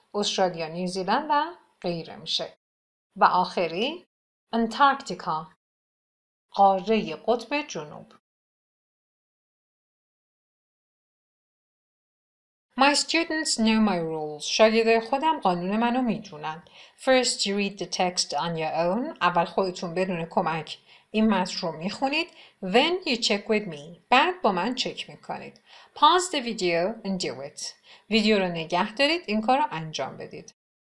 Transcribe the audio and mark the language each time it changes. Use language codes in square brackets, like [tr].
[fa] استرالیا، نیوزیلند و غیره میشه. و آخری انتارکتیکا، قاره قطب جنوب. [en] My students know my rules. [fa] شاگرده خودم قانون منو میدونن. [en] First you read the text on your own. [fa] اول خودتون بدون کمک این متن رو میخونید. [en] Then you check with me. [fa] بعد با من چک میکنید. [en] Pause the video and do it. [fa] ویدیو رو نگه دارید این کار رو انجام بدید.